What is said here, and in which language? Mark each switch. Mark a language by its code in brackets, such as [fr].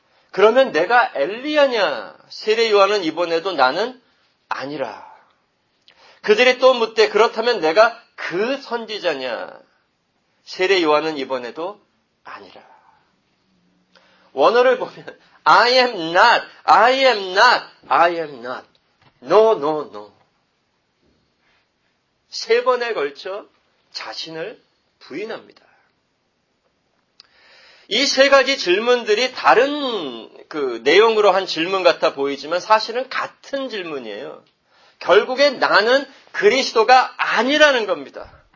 [ko] 그러면 내가 엘리야냐? 세례 요한은 이번에도 나는 아니라. 그들이 또 묻되 그렇다면 내가 그 선지자냐? 세례 요한은 이번에도 아니라. 원어를 보면 [en] I am not, I am not, I am not. No, no, no. [ko] 세 번에 걸쳐 자신을 부인합니다. 이 세 가지 질문들이 다른 그 내용으로 한 질문 같아 보이지만 사실은 같은 질문이에요. 결국에 나는 그리스도가 아니라는 겁니다.